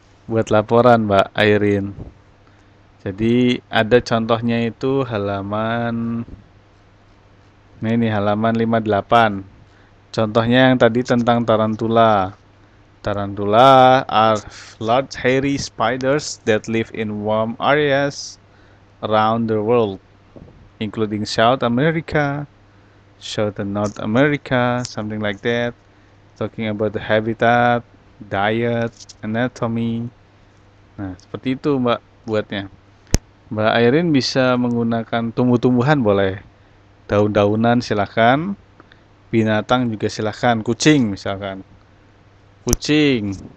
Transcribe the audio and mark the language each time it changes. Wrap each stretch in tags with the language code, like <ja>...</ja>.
<id>Buat laporan, Mbak Airin. Jadi ada contohnya itu halaman ini halaman 58. Contohnya yang tadi tentang tarantula.</id> <en>Tarantula are large hairy spiders that live in warm areas around the world, including South America, Southern North America, something like that. Talking about the habitat, diet, anatomy.</en> <id>Nah, seperti itu Mbak buatnya. Mbak Airin bisa menggunakan tumbuh-tumbuhan boleh. Daun-daunan silakan. Binatang juga silakan, kucing misalkan. Kucing.</id>